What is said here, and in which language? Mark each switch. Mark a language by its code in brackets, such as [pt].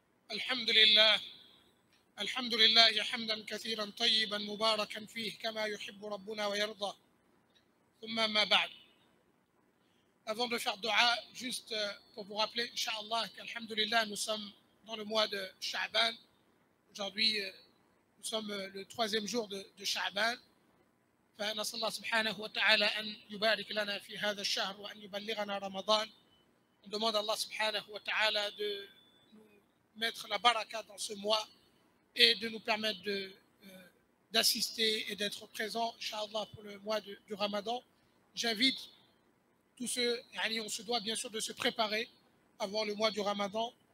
[ar] الحمد لله. الحمد لله حمدا كثيرا طيبا مباركا فيه كما يحب ربنا ويرضى ثم ما بعد. [fr] Avant de faire dua, juste pour vous rappeler inshallah qu'alhamdulillah nous sommes dans le mois de Sha'ban. Aujourd'hui nous sommes le troisième jour de Sha'ban. [ar] فنسأل الله سبحانه وتعالى أن يبارك لنا في هذا الشهر وأن يبلغنا رمضان. [fr] On demande à Allah [ar] سبحانه وتعالى [fr] de nous mettre la baraka dans ce mois et de nous permettre d'assister et d'être présents, inshallah, pour le mois du Ramadan. J'invite tout ce, on se doit bien sûr de se préparer avant le mois du Ramadan.